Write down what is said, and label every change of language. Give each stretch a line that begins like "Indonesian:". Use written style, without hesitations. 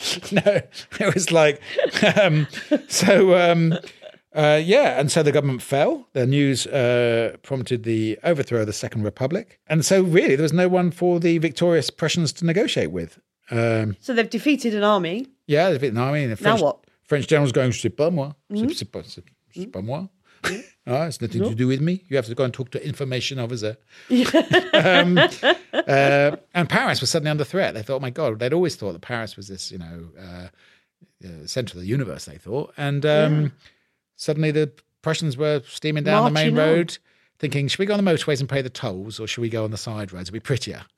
English: no, it was like, and so the government fell. The news prompted the overthrow of the Second Republic. And so really, there was no one for the victorious Prussians to negotiate with. So they've defeated an army. Yeah, they've defeated an army. And now what? French general's going,
French: c'est pas moi, c'est pas moi.
English: It's nothing to do with me. You have to go and talk to information officer. and Paris was suddenly under threat. They thought, oh my God, they'd always thought that Paris was this, center of the universe, they thought. And suddenly the Prussians were steaming down the main road, thinking, should we go on the motorways and pay the tolls or should we go on the side roads? It'd be prettier.